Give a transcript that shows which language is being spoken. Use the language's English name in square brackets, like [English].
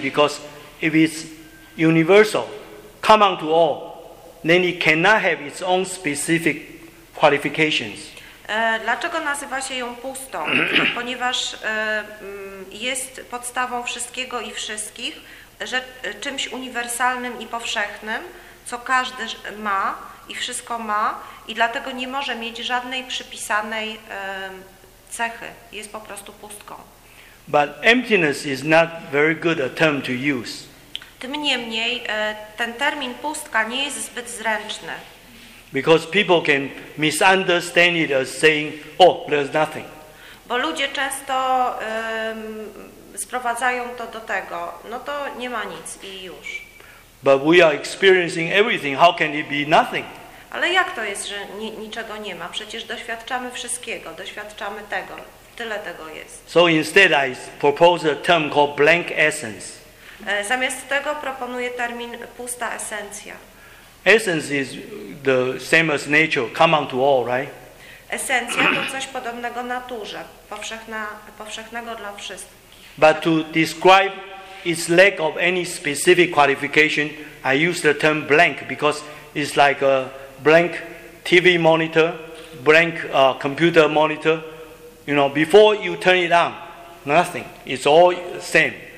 [English] Because if it's universal, common to all, then it cannot have its own specific qualifications. [Polish] Dlaczego nazywa się ją pustą? Ponieważ jest podstawą wszystkiego i wszystkich, że czymś uniwersalnym i powszechnym, co każdy ma i wszystko ma, i dlatego nie może mieć żadnej przypisanej cechy. Jest po prostu pustką. [English] But emptiness is not very good a term to use. [Polish] Tym niemniej ten termin pustka nie jest zbyt zręczny. [English] Because people can misunderstand it as saying, oh, there's nothing. [Polish] Bo ludzie często sprowadzają to do tego, no to nie ma nic i już. [English] But we are experiencing everything. How can it be nothing? [Polish] Ale jak to jest, że niczego nie ma? Przecież doświadczamy wszystkiego, doświadczamy tego, tyle tego jest. [English] So instead I propose a term called blank essence. [Polish] Zamiast tego proponuję termin pusta esencja. [English] Essence is the same as nature, common to all, right? [Polish] Esencja to coś podobnego naturze, powszechnego dla wszystkich. [English] But to describe its lack of any specific qualification, I use the term blank, because it's like a blank TV monitor, blank computer monitor. You know, before you turn it on, nothing. It's all the same.